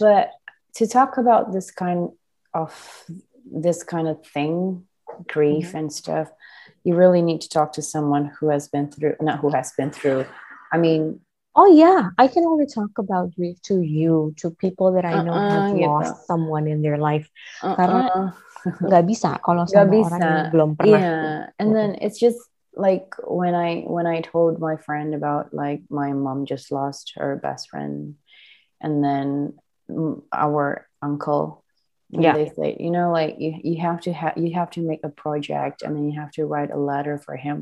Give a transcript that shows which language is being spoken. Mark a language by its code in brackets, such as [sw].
[en] But to talk about this kind of thing, grief mm-hmm. and stuff, you really need to talk to someone who has been through, not who has been through. I mean, oh yeah, I can only talk about grief to you, to people that I know have lost know. Someone in their life. [id] Karena nggak bisa kalau sama orang yang belum pernah. [en] Yeah, and then it's just like when I told my friend about like my mom just lost her best friend, and then our uncle. And yeah, they say, you know, like you have to make a project, and then you have to write a letter for him.